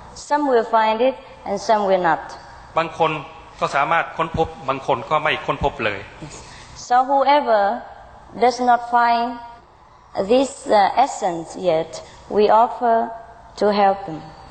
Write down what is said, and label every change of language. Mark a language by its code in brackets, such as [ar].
[en] Some will find it and some will not. [th] บางคนก็สามารถค้นพบบางคนก็ไม่ค้นพบเลย [en] So whoever does not find this essence yet, we offer to help them.